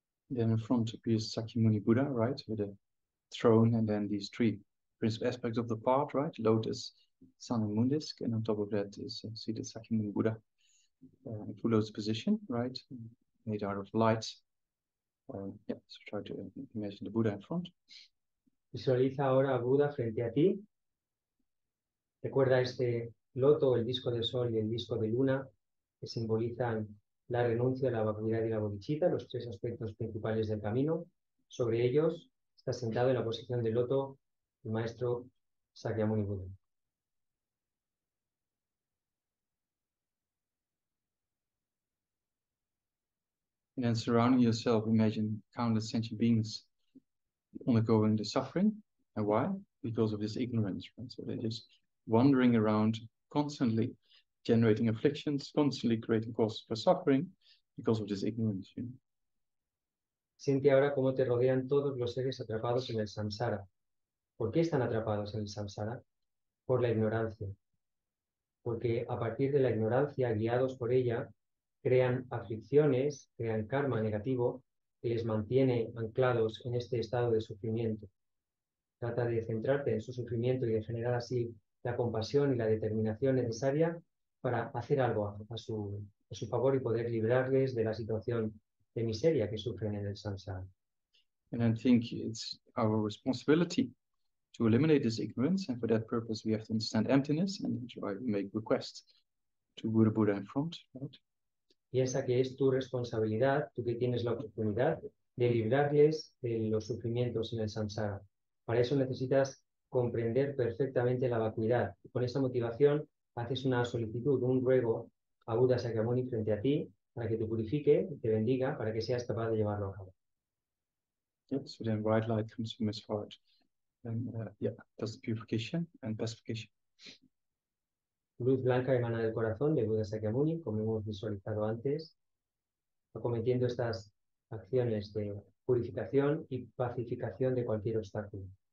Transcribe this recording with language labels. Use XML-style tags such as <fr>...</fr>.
<en>Then in front appears Sakyamuni Buddha, right, with a throne, and then these three principal aspects of the part, right, lotus, sun, and moon disc, and on top of that is seated Sakyamuni Buddha, in full lotus position, right, made out of light. Yeah, so try to imagine the Buddha in front.</en> <es>Visualiza ahora a Buda frente a ti. Recuerda este loto, el disco de sol y el disco de luna, que simbolizan la renuncia, la vacuidad y la bodhicitta, los tres aspectos principales del camino. Sobre ellos está sentado en la posición del loto el maestro Sakyamuni Buda.</es> <en>And then surrounding yourself, imagine countless sentient beings undergoing the suffering. And why? Because of this ignorance, right? So they're just wandering around constantly, generating afflictions, constantly creating causes for suffering because of this ignorance. You know?</en> <es>Siente ahora cómo te rodean todos los seres atrapados en el samsara. ¿Por qué están atrapados en el samsara? Por la ignorancia. Porque a partir de la ignorancia, guiados por ella, crean aflicciones, crean karma negativo que les mantiene anclados en este estado de sufrimiento. Trata de centrarte en su sufrimiento y de generar así la compasión y la determinación necesaria para hacer algo a su favor y poder librarles de la situación de miseria que sufren en el samsara.</es> <en>And I think it's our responsibility to eliminate this ignorance, and for that purpose we have to understand emptiness and enjoy, make requests to Buddha, Buddha in front, right?</en> <es>Piensa que es tu responsabilidad, tú que tienes la oportunidad de librarles de los sufrimientos en el samsara. Para eso necesitas comprender perfectamente la vacuidad. Con esa motivación haces una solicitud, un ruego a Buda Sakyamuni frente a ti para que te purifique, te bendiga, para que seas capaz de llevarlo a cabo.</es> <en>Yeah, so then white light comes from his heart. And does purification and pacification.</en> <es>Luz blanca emana del corazón de Buda Sakyamuni, como hemos visualizado antes, acometiendo estas acciones de purificación y pacificación de cualquier obstáculo.</es>